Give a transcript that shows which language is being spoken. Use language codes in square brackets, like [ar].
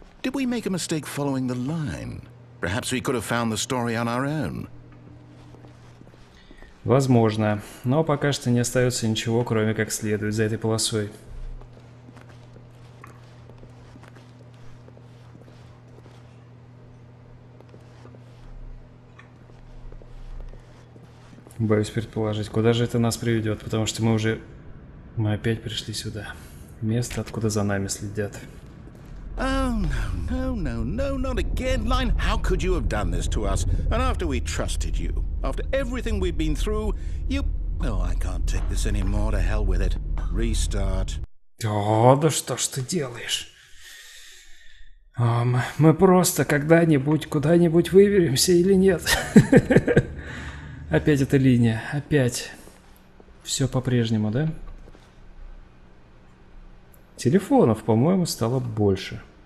[en] Did we make a mistake following the line? Perhaps we could have found the story on our own. [ru] Возможно, но пока что не остается ничего, кроме как следовать за этой полосой. Боюсь предположить, куда же это нас приведет, потому что мы уже... Мы опять пришли сюда. Место, откуда за нами следят. [en] Oh, no, not again, Line. How could you have done this to us? And after we trusted you, after everything we've been through, you... Oh, I can't take this anymore, to hell with it. Restart. [ru] Да что ж ты делаешь? Мы просто когда-нибудь, куда-нибудь выберемся или нет? Опять эта линия, опять. Все по-прежнему, да? Телефонов, по-моему, стало больше.